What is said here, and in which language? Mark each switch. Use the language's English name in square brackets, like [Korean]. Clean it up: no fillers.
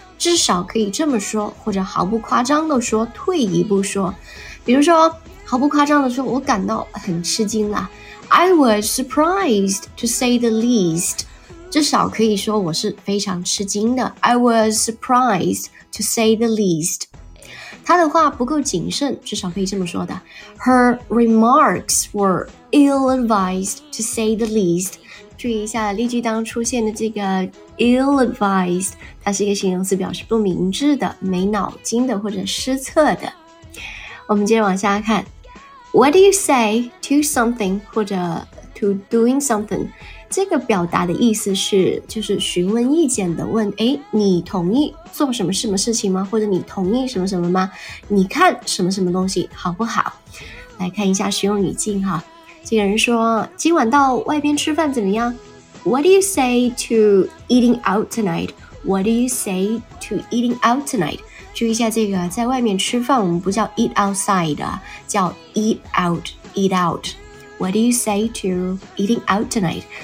[Chinese] 至少可以这么说，或者毫不夸张的说，退一步说，比如说毫不夸张的说，我感到很吃惊啦。 [English] I was surprised to say the least， [Chinese] 至少可以说我是非常吃惊的。 [English] I was surprised to say the least. [Chinese] 她的话不够谨慎，至少可以这么说的。 [English] Her remarks were ill-advised to say the least. [Chinese] 注意一下例句当出现的这个 ill-advised， 它是一个形容词，表示不明智的、没脑筋的或者失策的。我们接着往下看。 [English] What do you say to something [Chinese] 或者 [English] to doing something？ [Chinese] 这个表达的意思是就是询问意见的，问诶你同意做什么什么事情吗，或者你同意什么什么吗，你看什么什么东西好不好。来看一下使用语境哈，这个人说今晚到外边吃饭怎么样。 [English] What do you say to eating out tonight? What do you say to eating out tonight? [Chinese] 注意一下这个在外面吃饭我们不叫 [English] eat outside， [Chinese] 叫 [English] eat out， eat out。 What do you say to eating out tonight?